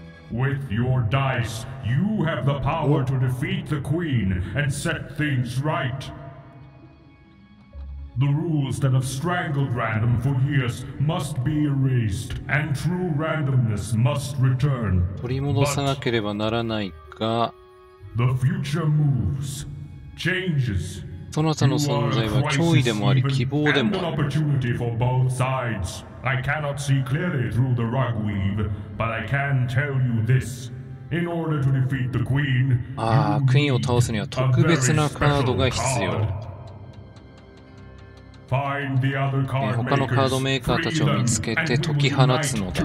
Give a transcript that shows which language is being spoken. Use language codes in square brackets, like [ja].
[en] With your dice, you have the power to defeat the Queen and set things right. The rules that have strangled Random for years must be erased, and true randomness must return. [ja] 取り戻さなければならないが、 [en] The future moves, changes. [ja] そなたの存在は脅威でもあり、希望でもある。 [en] An opportunity for both sides. I cannot see clearly through the rug weave, but I can tell you this. In order to defeat the queen, [ja] クイーンを倒すには特別なカードが必要。他のカードメーカーたちを見つけて解き放つのだ。